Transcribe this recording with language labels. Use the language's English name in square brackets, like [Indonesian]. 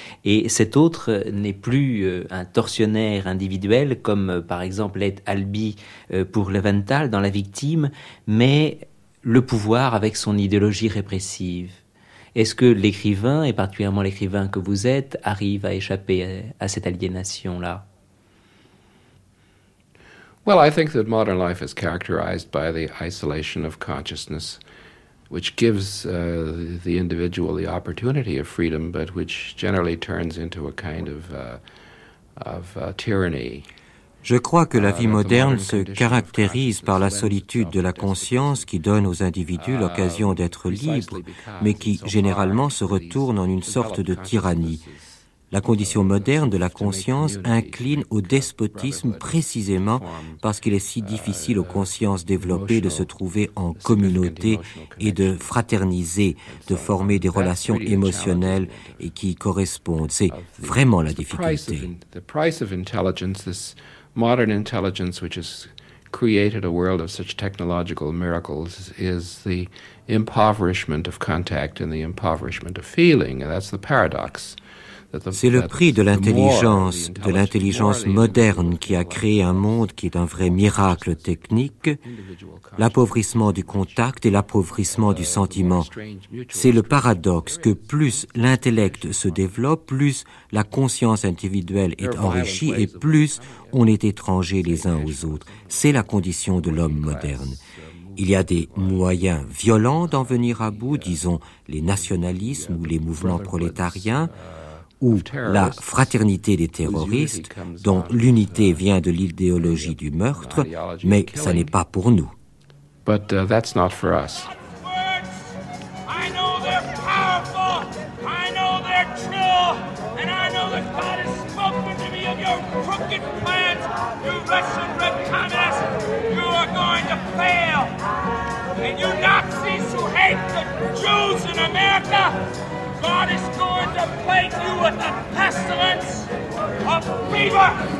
[French] Et cet autre n'est plus un tortionnaire individuel, comme par exemple l'est Albi pour Leventhal dans La Victime, mais le pouvoir avec son idéologie répressive. Est-ce que l'écrivain, et particulièrement l'écrivain que vous êtes, arrive à échapper à cette aliénation-là ? [English] Well, I think that modern life is characterized by the isolation of consciousness, which gives the individual the opportunity of freedom, but which generally turns into a kind of tyranny. [French] Je crois que la vie moderne se caractérise par la solitude de la conscience qui donne aux individus l'occasion d'être libres, mais qui généralement se retourne en une sorte de tyrannie. La condition moderne de la conscience incline au despotisme précisément parce qu'il est si difficile aux consciences développées de se trouver en communauté et de fraterniser, de former des relations émotionnelles et qui correspondent. C'est vraiment la difficulté. [English] The price of intelligence, this modern intelligence which has created a world of such technological miracles, is the impoverishment of contact and the impoverishment of feeling. That's the paradox. [French] C'est le prix de l'intelligence moderne qui a créé un monde qui est un vrai miracle technique, l'appauvrissement du contact et l'appauvrissement du sentiment. C'est le paradoxe que plus l'intellect se développe, plus la conscience individuelle est enrichie et plus on est étrangers les uns aux autres. C'est la condition de l'homme moderne. Il y a des moyens violents d'en venir à bout, disons les nationalismes ou les mouvements prolétariens, ou la fraternité des terroristes, dont l'unité vient de l'idéologie du meurtre, mais ça n'est pas pour nous. [English] But that's not for us. I know they're powerful, I know they're true, and I know that God has spoken to me of your crooked plans, you Russian red communists, you are going to fail. And you Nazis who hate the Jews in America, God is going to plague you with the pestilence of fever.